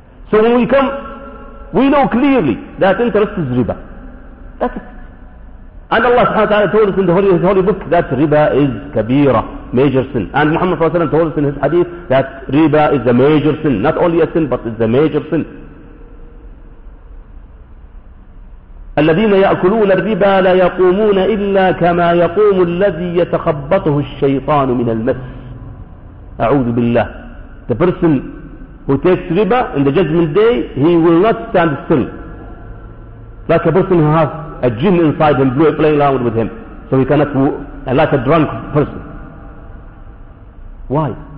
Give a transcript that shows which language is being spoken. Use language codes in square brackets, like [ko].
[en] So when we come, we know clearly that interest is riba. That's it. And Allah subhanahu wa ta'ala told us in his holy book that riba is kabira, major sin. And Muhammad sallallahu alayhi wa sallam told us in his hadith that riba is a major sin. Not only a sin, but it's a major sin. [ar] الذين يأكلون الربا لا يقومون إلا كما يقوم الذي يتخبطه الشيطان من المس. أعوذ بالله. [en] The person who takes riba in the judgment day, he will not stand still. Like a person who has a jinn inside him, playing around with him. So he cannot move, like a drunk person. Why?